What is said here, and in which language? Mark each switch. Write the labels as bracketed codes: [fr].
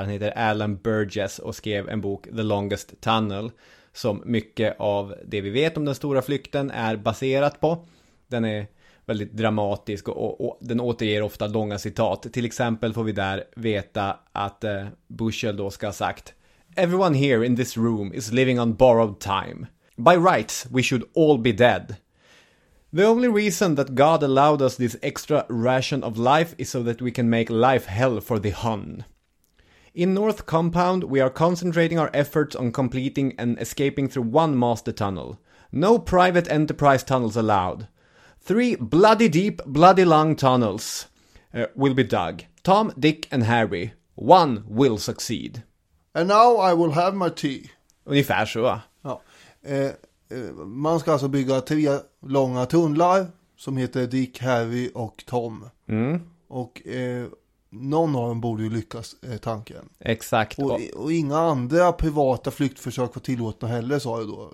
[sv] Han heter Alan Burgess och skrev en bok, The Longest Tunnel, som mycket av det vi vet om den stora flykten är baserat på. Den är väldigt dramatisk och den återger ofta långa citat. Till exempel får vi där veta att Bushell då ska ha sagt: [en] "Everyone here in this room is living on borrowed time. By rights, we should all be dead. The only reason that God allowed us this extra ration of life is so that we can make life hell for the Hun. In North Compound, we are concentrating our efforts on completing and escaping through one master tunnel. No private enterprise tunnels allowed. Three bloody deep, bloody long tunnels will be dug. Tom, Dick and Harry. One will succeed. And now I will have my tea." [sv] Ungefär så, va? Ja. Man ska alltså bygga tre långa tunnlar som heter Dick, Harry och Tom. Mm. Och någon av dem borde ju lyckas, tanken. Exakt. Och inga andra privata flyktförsök var tillåtna heller, sa jag då.